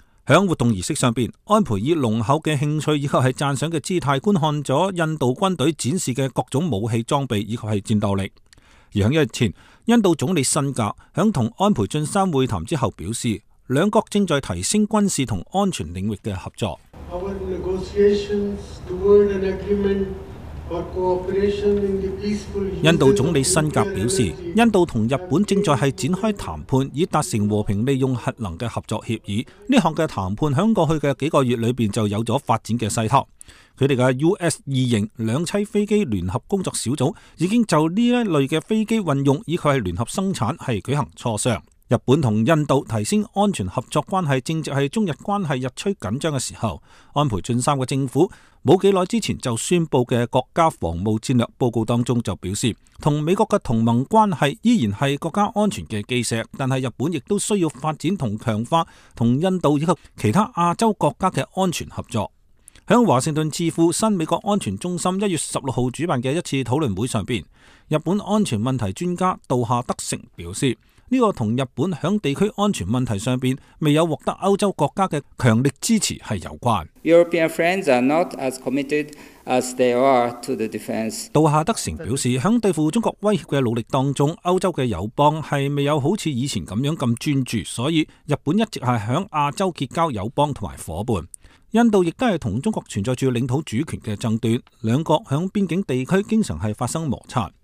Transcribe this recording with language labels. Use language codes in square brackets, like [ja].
[zh] 在活动仪式上，安倍以浓厚的兴趣以及是赞赏的姿态观看了印度军队展示的各种武器装备以及是战斗力。而在一日前，印度总理辛格在与安倍晋三会谈之后表示，两国正在提升军事和安全领域的合作。 [en] Our negotiations toward an agreement for cooperation in the peaceful use. [zh] 印度总理辛格表示，印度和日本正在展开谈判，以达成和平利用核能的合作协议。这项谈判在过去的几个月里面就有了发展的势头。他们的 US 二型两栖飞机联合工作小组已经就这一类的飞机运用以及联合生产是举行磋商。日本和印度提升安全合作关系，正值是中日关系日趋紧张的时候。安倍晋三的政府没几久之前就宣布的国家防务战略报告当中就表示，和美国的同盟关系依然是国家安全的基石，但是日本亦都需要发展和强化和印度以及其他亚洲国家的安全合作。在华盛顿智库新美国安全中心1月16号主办的一次讨论会上，日本安全问题专家道下德成表示，这个同日本在地区安全问题上面未有获得欧洲国家的强力支持是有关。 [en] European friends are not as committed as they are to the defense. [zh] 杜夏德成表示，在对付中国威胁的努力当中，欧洲的友邦是未有好像以前这样那么专注，所以日本一直是在亚洲结交友邦和伙伴。印度亦都是和中国存在着领土主权的争端，两国在边境地区经常是发生摩擦。